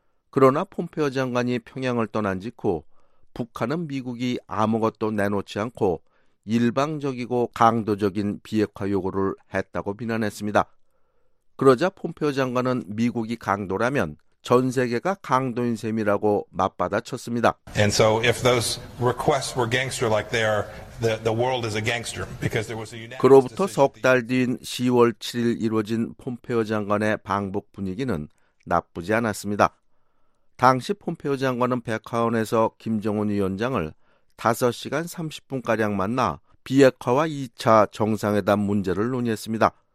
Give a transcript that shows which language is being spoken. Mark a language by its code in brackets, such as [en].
[ko] 그러나 폼페오 장관이 평양을 떠난 직후 북한은 미국이 아무것도 내놓지 않고 일방적이고 강도적인 비핵화 요구를 했다고 비난했습니다. 그러자 폼페오 장관은 미국이 강도라면 전 세계가 강도인 셈이라고 맞받아쳤습니다. [en] And so if those requests were gangster like they are, the world is a gangster because there was a unanimous. [ko] 그로부터 석 달 뒤인 10월 7일 이루어진 폼페오 장관의 방북 분위기는 나쁘지 않았습니다. 당시 폼페오 장관은 백화원에서 김정은 위원장을 5시간 30분가량 만나 비핵화와 2차 정상회담 문제를 논의했습니다.